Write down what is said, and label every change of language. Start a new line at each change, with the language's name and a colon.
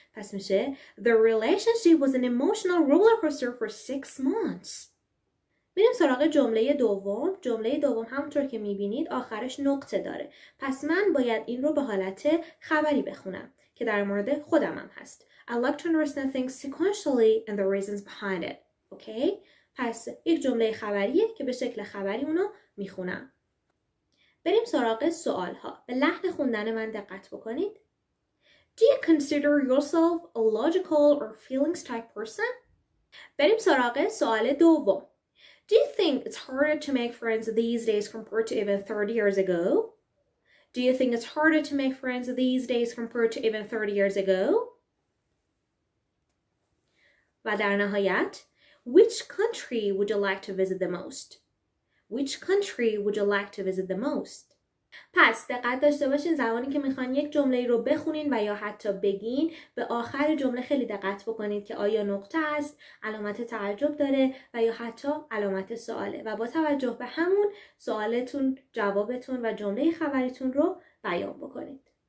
Persian: پس میشه
English: The relationship was an emotional roller coaster for 6 months.
Persian: بریم سراغ جمله دوم. جمله دوم همونطور که میبینید آخرش نقطه داره. پس من باید این رو به حالت خبری بخونم که در مورد خودم هم هست.
English: I like to understand things sequentially and the reasons behind it. Okay?
Persian: پس یک جمله خبریه که به شکل خبری اونو میخونم. بریم سراغ سوال ها. به لحن خوندن من دقت بکنید.
English: Do you consider yourself a logical or feelings type person?
Persian: بریم سراغ سوال دوم.
English: Do you think it's harder to make friends these days compared to even 30 years ago? Do you think it's harder to make friends these days compared to even 30 years ago?
Persian: و در نهایت,
English: which country would you like to visit the most? Which country would you like to visit the most?
Persian: پس دقت داشته باشین زمانی که میخوان یک جمله رو بخونین و یا حتی بگین به آخر جمله خیلی دقت بکنید که آیا نقطه است، علامت تعجب داره و یا حتی علامت سواله و با توجه به همون سوالتون، جوابتون و جمله خبریتون رو بیان بکنید.